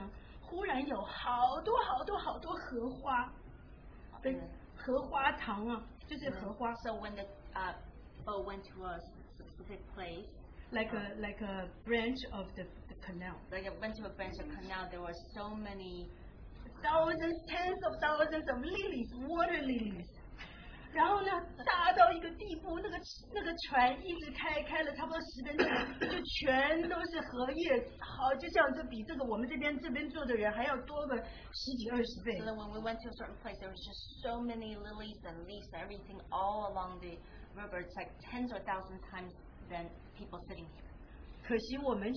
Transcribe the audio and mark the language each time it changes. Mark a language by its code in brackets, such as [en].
[zh] 这个船呢，开到了一个支流的时候呢，忽然有好多好多好多荷花。荷花塘啊，就是荷花。 [en] So when the boat went to a specific place, like a branch of the canal. Like it went to a branch of canal, there were so many thousands, tens of thousands of lilies, water lilies. [zh] 然后呢，大到一个地步，那个船一直开了差不多十分钟，就全都是荷叶，好，就像这比这个我们这边坐的人还要多个十几二十倍。 [en] So then when we went to a certain place, there was just so many lilies and leaves and everything all along the river. It's like tens or thousands times than people sitting here.